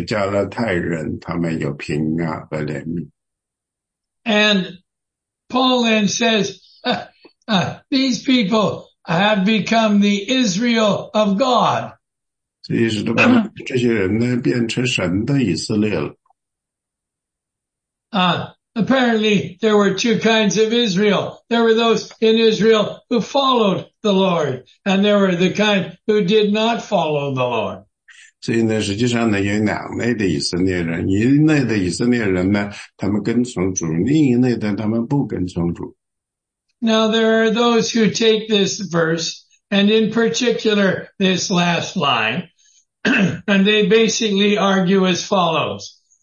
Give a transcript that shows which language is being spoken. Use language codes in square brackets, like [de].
[zh] 也这个里面呢就是在那些理解这样的一个伟大的原则并把它活出来的那些加拉太人他们有平安和怜悯 [en] And Paul then says these people have become the Israel of God [zh] 所以是都把这些人呢变成神的以色列了 [en] Apparently, there were two kinds of Israel. There were those in Israel who followed the Lord, and there were the kind who did not follow the Lord. [zh] 所以呢,实际上呢,有两类的以色列人,一类的以色列人呢,他们跟从主,另一类的他们不跟从主。 [en] Now, there are those who take this verse, and in particular, this last line, and they basically argue as follows.